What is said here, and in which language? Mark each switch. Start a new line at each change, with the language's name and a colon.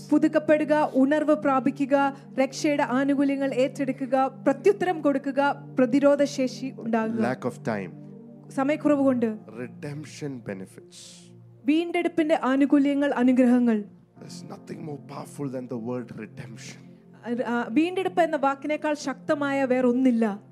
Malayalam: പുതുക്കപ്പെടുക, ഉണർവ് പ്രാപിക്കുക, രക്ഷയുടെ ആനുകൂല്യങ്ങൾ ഏറ്റെടുക്കുക, പ്രത്യുത്തരം കൊടുക്കുക, പ്രതിരോധ ശേഷി ഉണ്ടാകുക.
English: Lack of time.
Malayalam: സമയക്കുറവ് കൊണ്ട്.
English: Redemption benefits.
Malayalam: വീണ്ടെടുപ്പിന്റെ ആനുകൂല്യങ്ങൾ, അനുഗ്രഹങ്ങൾ.
English: There's nothing more powerful than the word redemption.
Malayalam: വീണ്ടെടുപ്പ് എന്ന വാക്കിനേക്കാൾ ശക്തമായ വേറെ ഒന്നില്ല.